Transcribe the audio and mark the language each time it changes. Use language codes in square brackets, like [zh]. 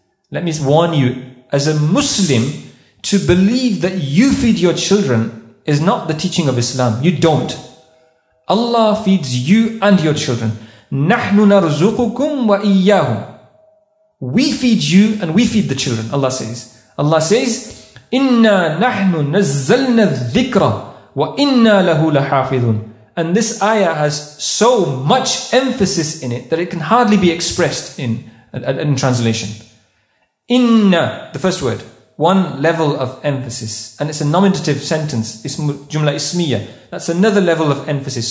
[en] Let me warn you, as a Muslim, to believe that you feed your children is not the teaching of Islam. You don't. Allah feeds you and your children. [ar] نَحْنُ نَرْزُقُكُمْ وَإِيَّاهُمْ. [en] We feed you and we feed the children, Allah says. Allah says, [ar] إِنَّا نَحْنُ نَزَّلْنَا الذِّكْرَ وَإِنَّا لَهُ لَحَافِظُونَ. [en] And this ayah has so much emphasis in it that it can hardly be expressed in translation. إِنَّا, the first word, one level of emphasis. And it's a nominative sentence, [ar] jumla ismiya. [en] That's another level of emphasis.